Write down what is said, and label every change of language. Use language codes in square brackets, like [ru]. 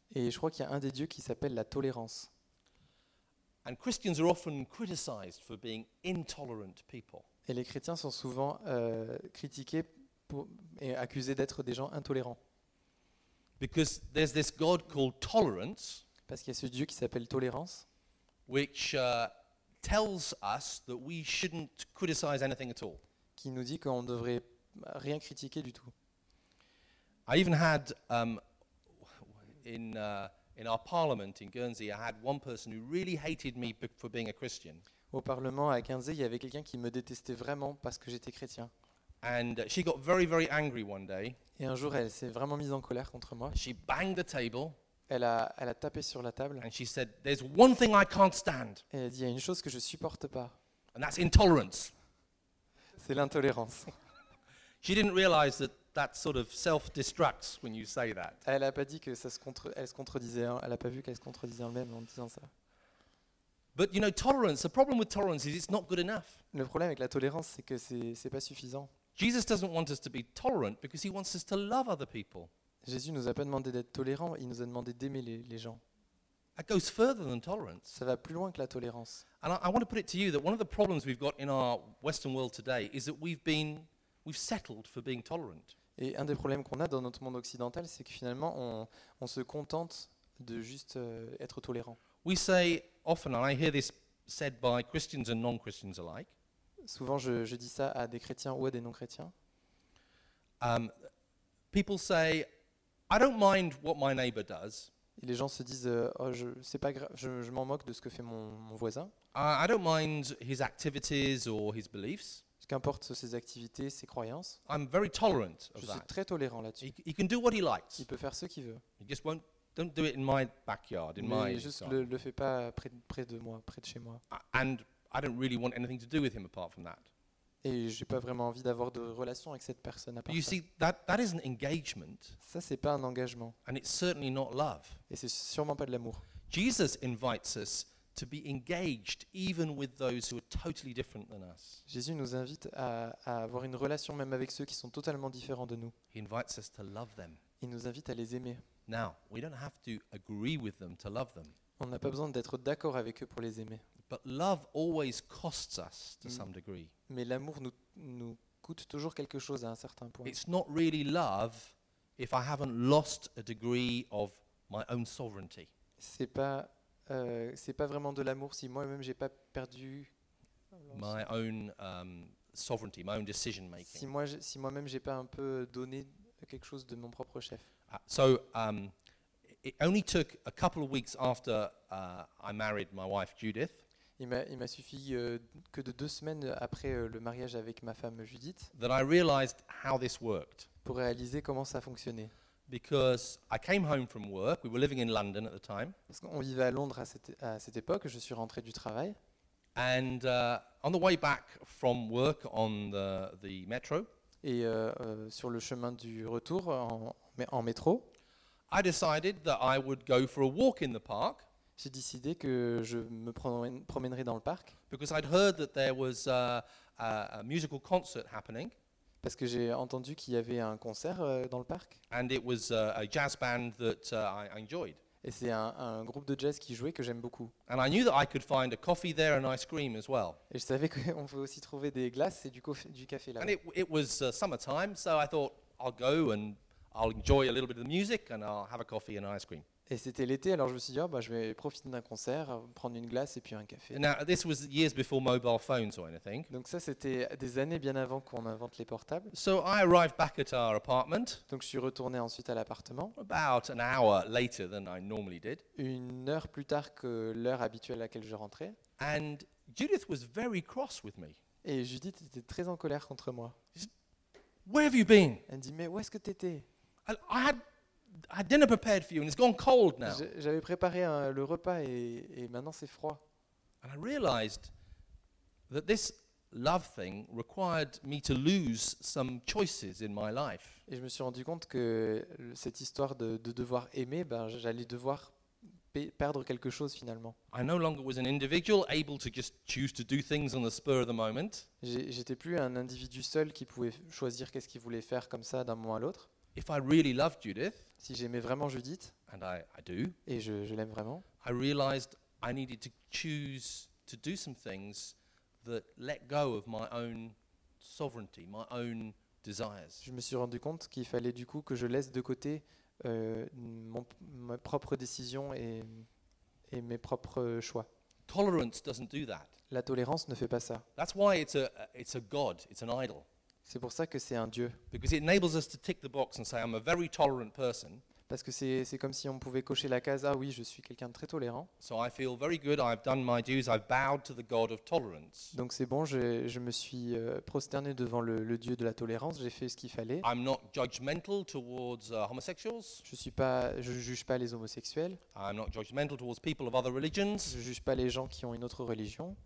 [fr] Et je crois qu'il y a un des dieux qui s'appelle la tolérance. [en] And Christians are often criticized for being intolerant people. [fr] Et les chrétiens sont souvent critiqués pour, et accusés d'être des gens intolérants. [en] Because there's this God called tolerance, [fr] parce qu'il y a ce Dieu qui s'appelle tolérance, [en] which tells us that we shouldn't criticize anything at all. [fr] Qui nous dit qu'on ne devrait rien critiquer du tout. [en] I even had in our parliament in Guernsey, I had one person who really hated me for being a Christian. [fr] Au Parlement à Guernsey, il y avait quelqu'un qui me détestait vraiment parce que j'étais chrétien. [en] And she got very, very angry one day. [fr] Et un jour, elle s'est vraiment mise en colère contre moi. [en] She banged the table. [fr] Elle a tapé sur la table. [en] And she said, "There's one thing I can't stand." [fr] Et elle dit, il y a une chose que je supporte pas. [en] And that's intolerance. [fr] C'est l'intolérance. [en] She didn't realize that that sort of self-destructs when you say that. [fr] Elle a pas dit que ça se contre, elle se contredisait. Hein. Elle a pas vu qu'elle se contredisait elle-même en disant ça. [en] But you know, tolerance. The problem with tolerance is it's not good enough. [fr] Le problème avec la tolérance, c'est que c'est pas suffisant. [en] Jesus doesn't want us to be tolerant because he wants us to love other people. [fr] Jésus nous a pas demandé d'être tolérant, il nous a demandé d'aimer les gens. [en] That goes further than tolerance. [fr] Ça va plus loin que la tolérance. [en] And I want to put it to you that one of the problems we've got in our Western world today is that we've settled for being tolerant. [fr] Et un des problèmes qu'on a dans notre monde occidental, c'est que finalement on se contente de juste être tolérant. [en] We say often, and I hear this said by Christians and non-Christians alike. [fr] Souvent, je dis ça à des chrétiens ou à des non-chrétiens. [en] People say, "I don't mind what my neighbor does." [fr] Et les gens se disent, je m'en moque de ce que fait mon voisin. [en] I don't mind his activities or his beliefs. [fr] Ce qu'importe ses activités, ses croyances. [en] I'm very tolerant of [fr] that. Je suis très tolérant là-dessus. [en] He can do what he likes. [fr] Il peut faire ce qu'il veut. [en] He just won't. Don't do it in my backyard, in [fr] mais [en] my. [fr] Juste le fais pas près de moi, près de chez moi. [en] And I don't really want anything to do with him apart from that. [fr] Et j'ai pas vraiment envie d'avoir de relation avec cette personne à part [en] you [fr] ça. [en] See, that is an engagement. [fr] Ça c'est pas un engagement. [en] And it's certainly not love. [fr] Et c'est sûrement pas de l'amour. [en] Jesus invites us to be engaged even with those who are totally different than us. [fr] Jésus nous invite à avoir une relation même avec ceux qui sont totalement différents de nous. [en] He invites us to love them. [fr] Il nous invite à les aimer. [en] Now, we don't have to agree with them to love them. [fr] On n'a pas besoin d'être d'accord avec eux pour les aimer. [en] But love always costs us to some degree. [fr] Mais l'amour nous coûte toujours quelque chose à un certain point. [en] It's not really love if I haven't lost a degree of my own sovereignty. [fr] C'est pas vraiment de l'amour si moi-même j'ai pas perdu [en] my own sovereignty, my own decision making. [fr] Si moi-même j'ai pas un peu donné quelque chose de mon propre chef. [en] So it only took a couple of weeks after I married my wife Judith. [fr] Il m'a suffi que de 2 semaines après le mariage avec ma femme Judith. [en] That I realized how this worked. [fr] Pour réaliser comment ça fonctionnait. [en] Because I came home from work. We were living in London at the time. [fr] Parce qu'on vivait à Londres à cette époque. Je suis rentré du travail. [en] And on the way back from work on the metro. [fr] Et sur le chemin du retour en métro, [en] I decided that I would go for a walk in the park. [fr] J'ai décidé que je me promènerais dans le parc. [en] Because I'd heard that there was a musical concert happening. [fr] Parce que j'ai entendu qu'il y avait un concert dans le parc. [en] And it was a jazz band that I enjoyed. [fr] Et c'est un groupe de jazz qui jouait que j'aime beaucoup. [en] And I knew that I could find a coffee there and ice cream as well. [fr] Et je savais qu'on pouvait aussi trouver des glaces et du café là-bas. [en] And it was summertime, so I thought I'll go and I'll enjoy a little bit of the music and I'll have a coffee and ice cream. [fr] Et c'était l'été, alors je me suis dit, je vais profiter d'un concert, prendre une glace et puis un café. [en] Now, this was years before mobile phones or anything. [fr] Donc ça, c'était des années bien avant qu'on invente les portables. [en] So I arrived back at our apartment. [fr] Donc je suis retourné ensuite à l'appartement. [en] About an hour later than I normally did. [fr] Une heure plus tard que l'heure habituelle à laquelle je rentrais. [en] And Judith was very cross with me. [fr] Et Judith était très en colère contre moi. [en] Where have you been? [fr] Elle dit, mais où est-ce que tu étais? [en] I had dinner prepared for you, and it's gone cold now. [fr] J'avais préparé le repas et maintenant c'est froid. [en] And I realized that this love thing required me to lose some choices in my life. [fr] Et je me suis rendu compte que cette histoire de devoir aimer, j'allais devoir perdre quelque chose finalement. [en] I no longer was an individual able to just choose to do things on the spur of the moment. [fr] J'étais plus un individu seul qui pouvait choisir qu'est-ce qu'il voulait faire comme ça d'un moment à l'autre. [en] If I really loved Judith, [fr] si j'aimais vraiment Judith, [en] and I do, [fr] et je l'aime vraiment, [en] I realized I needed to choose to do some things that let go of my own sovereignty, my own desires. [fr] Je me suis rendu compte qu'il fallait du coup que je laisse de côté ma propre décision et mes propres choix. [en] Tolerance doesn't do that. [fr] La tolérance ne fait pas ça. [en] That's why it's a god, it's an idol. [fr] C'est pour ça que c'est un dieu. [en] Because it enables us to tick the box and say I'm a very tolerant person. [fr] Parce que c'est comme si on pouvait cocher la case ah oui, je suis quelqu'un de très tolérant. [en] So I feel very good, I've done my dues, I've bowed to the god of tolerance. [fr] Donc c'est bon, je me suis prosterné devant le dieu de la tolérance, j'ai fait ce qu'il fallait. [en] I'm not judgmental towards homosexuals. [fr] Je juge pas les homosexuels. [en] I'm not judgmental towards people of other religions. [fr] Je juge pas les gens qui ont une autre religion.